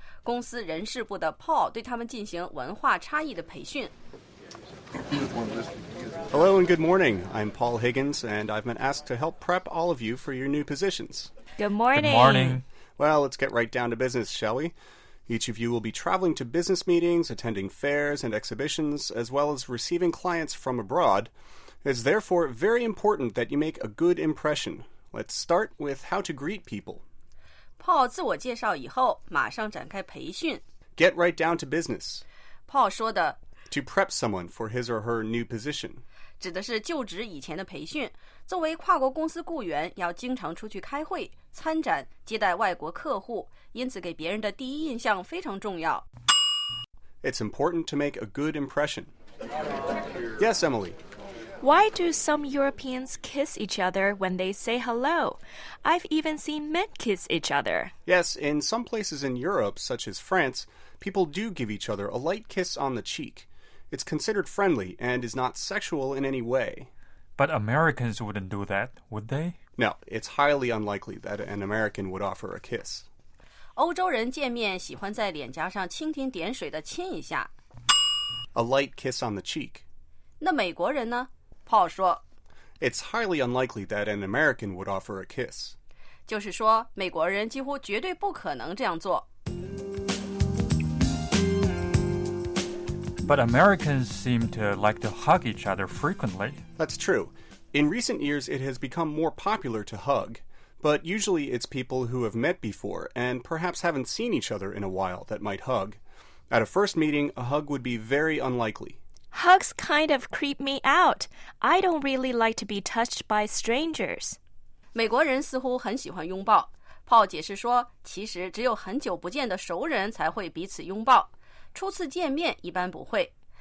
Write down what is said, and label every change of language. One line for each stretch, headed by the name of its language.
Chinese: 公司人事部的 Paul 对他们进行文化差异的培训。
English: Hello and good morning. I'm Paul Higgins and I've been asked to help prep all of you for your new positions. Good morning. Good morning. Well, let's get right down to business, shall we? Each of you will be traveling to business meetings, attending fairs and exhibitions, as well as receiving clients from abroad. It's therefore very important that you make a good impression. Let's start with how to greet people.
Chinese: Paul 自我介绍以后，马上展开培训。
English: Get right down to business.
Chinese: Paul 说的
English: To prep someone for his or her new position.
Chinese: 指的是就职以前的培训。作为跨国公司雇员，要经常出去开会、参展、接待外国客户，因此给别人的第一印象非常重要。
English: It's important to make a good impression. Yes, Emily. Why do some Europeans kiss each other when they say hello? I've even seen men kiss each other. Yes, in some places in Europe, such as France, people do give each other a light kiss on the cheek. It's considered friendly and is not sexual in any way. But Americans wouldn't do that, would they? No, it's highly unlikely that an American would offer a kiss.
Chinese: 欧洲人见面喜欢在脸颊上蜻蜓点水地亲一下。
English: A light kiss on the cheek.
Chinese: 那美国人呢？Paul 说
English: It's highly unlikely that an American would offer a kiss.
Chinese: 就是说美国人几乎绝对不可能这样做。
English: But Americans seem to like to hug each other frequently. That's true. In recent years, it has become more popular to hug. But usually it's people who have met before and perhaps haven't seen each other in a while that might hug. At a first meeting, a hug would be very unlikely. Hugs kind of creep me out. I don't really like to be touched by strangers.
Chinese: 美国人似乎很喜欢拥抱。Paul 解释说，其实只有很久不见的熟人才会彼此拥抱，初次见面一般不会。